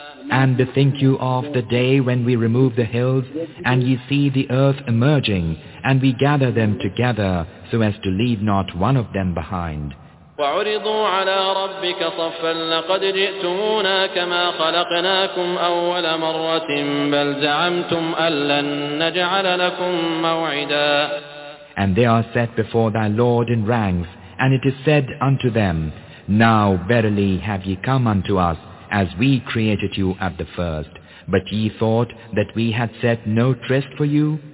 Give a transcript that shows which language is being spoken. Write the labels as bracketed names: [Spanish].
[English] And bethink you of the day when we remove the hills and ye see the earth emerging, and we gather them together so as to leave not one of them behind. [Arabic] وعرضوا على ربك صفا لقد جئتمونا كما خلقناكم أول مرة بل زعمتم ألن نجعل لكم موعدا. [English] And they are set before thy Lord in ranks, and it is said unto them, Now verily have ye come unto us as we created you at the first, but ye thought that we had set no tryst for you.